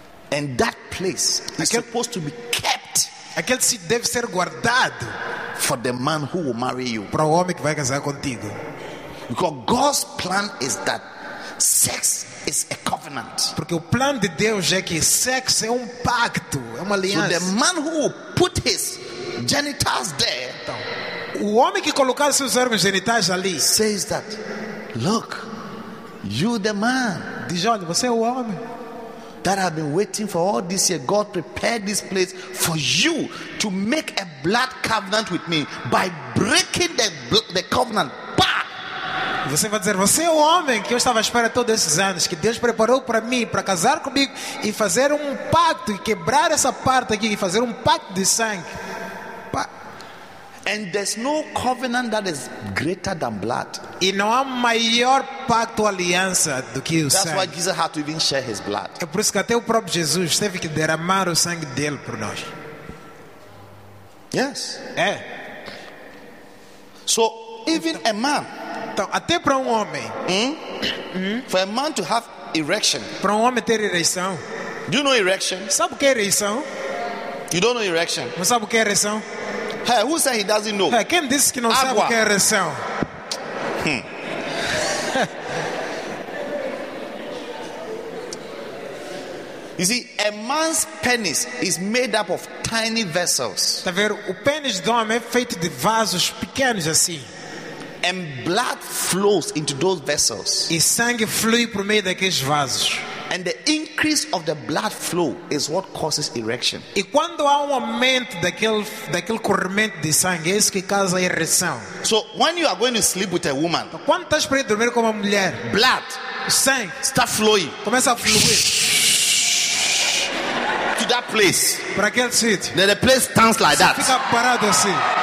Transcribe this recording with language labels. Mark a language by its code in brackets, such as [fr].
[en] And that place is supposed to be kept. [pt] Aquele sítio deve ser guardado [en] for the man who will marry you. [pt] Para o homem que vai casar contigo. [en] Because God's plan is that sex is a covenant. [pt] Porque o plano de Deus é que sexo é pacto, é uma aliança. [en] So the man who will put his genitals there. [pt] Então, o homem que colocar seus órgãos genitais ali [en] says that, look, you the man. [pt] Diz, olha, você é o homem. [en] That I've been waiting for all this year. God prepared this place for you to make a blood covenant with me by breaking the covenant. Bah! [pt] Você vai dizer, você é o homem que eu estava esperando todos esses anos, que Deus preparou para mim, para casar comigo e fazer um pacto e quebrar essa parte aqui e fazer um pacto de sangue. [en] And there's no covenant that is greater than blood. [pt] E não há maior pacto aliança do que o [en] That's [pt] sangue. [en] That's why Jesus had to even shed his blood. [pt] É por isso que até o próprio Jesus teve que derramar o sangue dele por nós. [en] Yes. [pt] É. [en] So even então, a man. [pt] Então, até para um homem. [en] For a man to have erection. [pt] Para um homem ter ereção. [en] Do you know erection? [pt] Sabe o que é ereção? [en] You don't know erection. [pt] Não sabe o que é ereção? [en] Hey, who said he doesn't know? [pt] Hey, quem disse que não Agua. Sabe o que é ereção? [en] You see, a man's penis is made up of tiny vessels. [pt] Tá vendo? O pênis do homem é feito de vasos pequenos assim. [en] And blood flows into those vessels. [pt] E sangue flui por meio daqueles vasos. [en] And the increase of the blood flow is what causes erection. [pt] E quando há aumento daquele corrimento de sangue, é isso que causa ereção. [en] So when you are going to sleep with a woman, [pt] quando estás para dormir com uma mulher, [en] blood, [pt] sangue, [en] start flowing, [pt] começa a fluir [en] to that place. [pt] Para aquele sítio. [en] Then the place stands like [pt] Você [en] that. [pt] Fica parado assim.